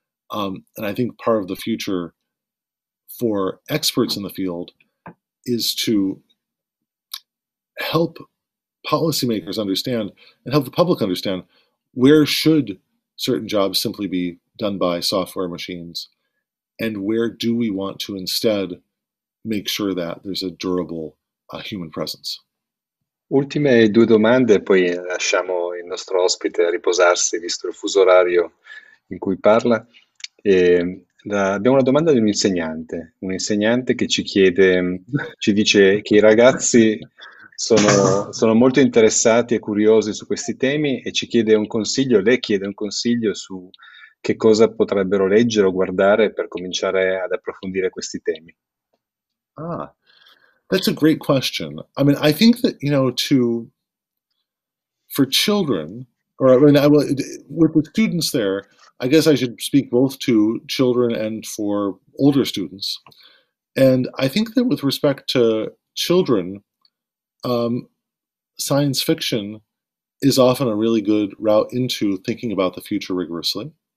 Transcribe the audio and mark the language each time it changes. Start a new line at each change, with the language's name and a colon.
English: And I think part of the future for experts in the field is to help policymakers understand and help the public understand where should certain jobs simply be done by software machines and where do we want to instead make sure that there's a durable human presence.
Italian: Ultime due domande, poi lasciamo il nostro ospite riposarsi visto il fuso orario in cui parla. Abbiamo una domanda di un insegnante che ci dice che i ragazzi sono molto interessati e curiosi su questi temi e ci chiede un consiglio, lei chiede un consiglio su che cosa potrebbero leggere o guardare per cominciare ad approfondire questi temi.
English: Ah, that's a great question. I mean, I think that, you know, for children, or I mean, I will, with students there, I guess I should speak both to children and for older students. And I think that with respect to children, science fiction is often a really good route into thinking about the future rigorously.